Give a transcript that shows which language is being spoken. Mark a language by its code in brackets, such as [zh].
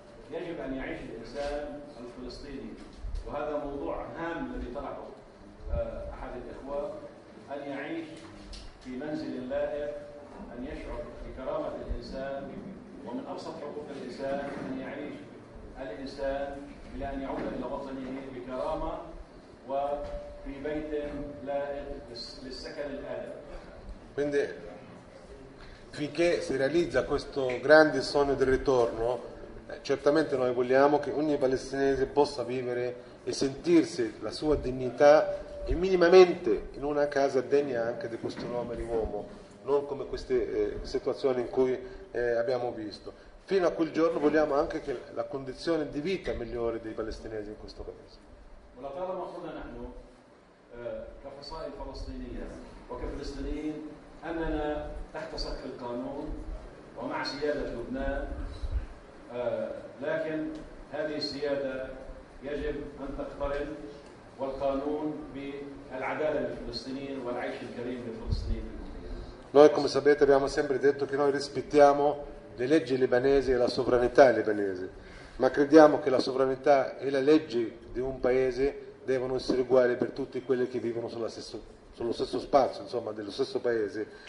[ar] يجب أن يعيش الإنسان الفلسطيني، وهذا موضوع هام الذي طرحه أحد الإخوة، أن يعيش في منزل لائق، أن يشعر بكرامة الإنسان، ومن أبسط حقوق الإنسان أن يعيش الإنسان إلى أن يعود إلى وطنه بكرامة وفي بيت لائق للسكن الآلي. [it] Finché si realizza questo grande sogno del ritorno, certamente noi vogliamo che ogni palestinese possa vivere e sentirsi la sua dignità e minimamente in una casa degna anche di questo nome di uomo, non come queste situazioni in cui abbiamo visto. Fino a quel giorno vogliamo anche che la condizione di vita migliore dei palestinesi in questo paese. [ar] أننا تحت سقف القانون ومع سيادة لبنان، لكن هذه السيادة يجب أن تقترن والقانون بالعدالة للفلسطينيين والعيش الكريم للفلسطينيين. [it] Noi come sapete abbiamo sempre detto che noi rispettiamo le leggi libanesi e la sovranità libanese, ma crediamo che la sovranità e la legge di un paese devono essere uguali per tutti quelli che vivono sullo stesso spazio, insomma, dello stesso paese.